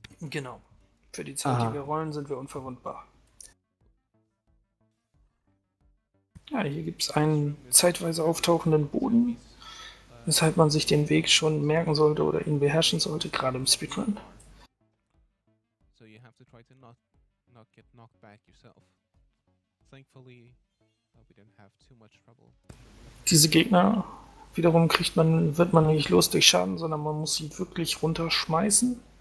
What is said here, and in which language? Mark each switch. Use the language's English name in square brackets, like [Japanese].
[German] Genau. Für die Zeit, die wir rollen, sind wir unverwundbar. Ja, hier gibt es einen zeitweise auftauchenden Boden, weshalb man sich den Weg schon merken sollte oder ihn beherrschen sollte, gerade im Speedrun. [English] So you have to try to not get knocked back yourself. Thankfully, we didn't have too much trouble. [German] Diese Gegner wiederum wird man nicht los durch Schaden, sondern man muss sie wirklich runterschmeißen.